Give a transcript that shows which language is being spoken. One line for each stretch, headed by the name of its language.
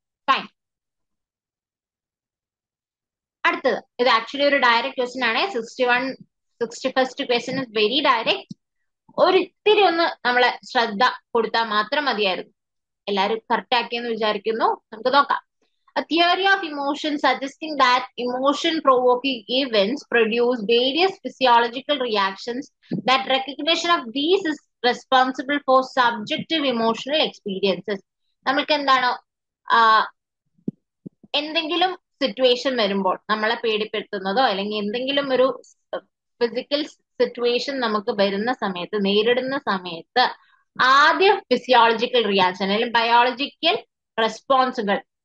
Malayalam: Fine, അടുത്തത്, ഇത് actually ഒരു ഡയറക്റ്റ് ക്വസ്റ്റ്യൻ ആണ്.
English: 61st question is very direct.
Malayalam: ഒരിത്തിരി ഒന്ന് നമ്മളെ ശ്രദ്ധ കൊടുത്താൽ മാത്രം മതിയായിരുന്നു, എല്ലാവരും കറക്റ്റ് ആക്കിയെന്ന് വിചാരിക്കുന്നു. നമുക്ക് നോക്കാം.
English: A theory of emotion suggesting that emotion-provoking events produce various physiological reactions, that recognition of these is responsible for subjective emotional experiences.
Malayalam: നമ്മൾക്ക് എന്താണോ എന്തെങ്കിലും സിറ്റുവേഷൻ വരുമ്പോൾ നമ്മളെ പേടിപ്പെടുത്തുന്നതോ അല്ലെങ്കിൽ എന്തെങ്കിലും ഒരു ഫിസിക്കൽ സിറ്റുവേഷൻ നമുക്ക് വരുന്ന സമയത്ത്, നേരിടുന്ന സമയത്ത് ആദ്യം ഫിസിയോളജിക്കൽ റിയാക്ഷൻ അല്ലെങ്കിൽ ബയോളജിക്കൽ റെസ്പോൺസുകൾ,